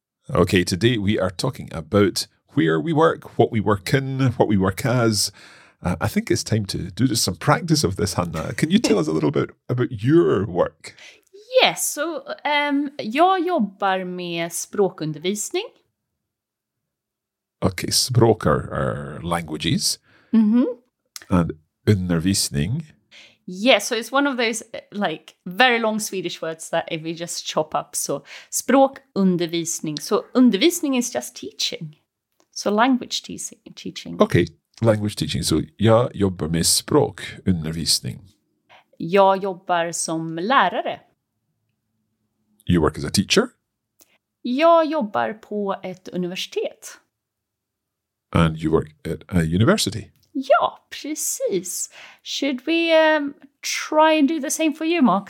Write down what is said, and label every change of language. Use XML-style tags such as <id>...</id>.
<en>Okay, today we are talking about where we work, what we work in, what we work as. I think it's time to do just some practice of this, Hanna. Can you tell us a little bit about your work? Yes, so</en> <sv>jag jobbar med språkundervisning.</sv> <en>Okay, språk are languages. And undervisning. Yeah, so it's one of those like very long Swedish words that if we just chop up. So språkundervisning. So undervisning is just teaching. So language teaching. Okay, language teaching.</en> <sv>So jag jobbar med språkundervisning. Jag jobbar som lärare.</sv> <en>You work as a teacher?</en> <sv>Jag jobbar på ett universitet.</sv> <en>And you work at a university?</en> <sv>Ja, precis.</sv> <en>Should we try and do the same for you, Mark?</en>